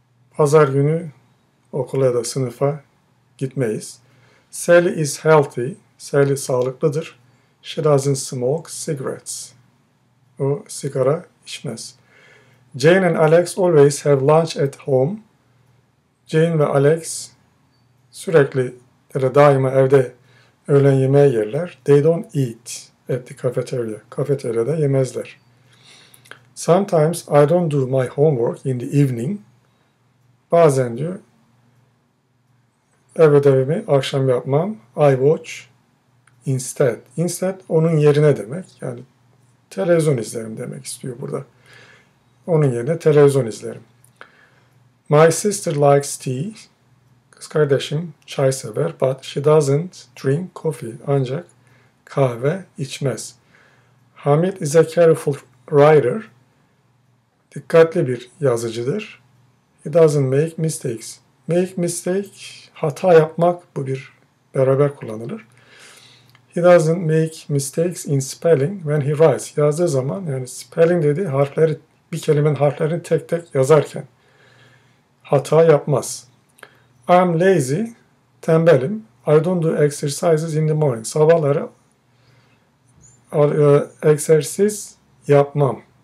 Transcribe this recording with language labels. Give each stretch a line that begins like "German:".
Turkish: Pazar günü okula ya da sınıfa gitmeyiz.
English: Sally is healthy.
Turkish: Sally sağlıklıdır.
English: She doesn't smoke cigarettes.
Turkish: O sigara içmez.
English: Jane and Alex always have lunch at home.
Turkish: Jane ve Alex sürekli ya da daima evde öğlen yemeği yerler.
English: They don't eat at the cafeteria.
Turkish: Kafeteryada yemezler.
English: Sometimes I don't do my homework in the evening.
Turkish: Bazen diyor, ev ödevimi akşam yapmam.
English: I watch instead. Instead
Turkish: onun yerine demek. Yani televizyon izlerim demek istiyor burada. Onun yerine televizyon izlerim.
English: My sister likes tea.
Turkish: Kız kardeşim çay sever.
English: But she doesn't drink coffee.
Turkish: Ancak kahve içmez.
English: Hamid is a careful writer.
Turkish: Dikkatli bir yazıcıdır.
English: He doesn't make mistakes.
Turkish: Make mistake, hata yapmak, bu bir beraber kullanılır.
English: He doesn't make mistakes in spelling when he writes.
Turkish: Yazdığı zaman, yani spelling dediği harfleri, bir kelimenin harflerini tek tek yazarken hata yapmaz.
English: I'm lazy,
Turkish: tembelim.
English: I don't do exercises in the morning.
Turkish: Sabahları egzersiz yapmam.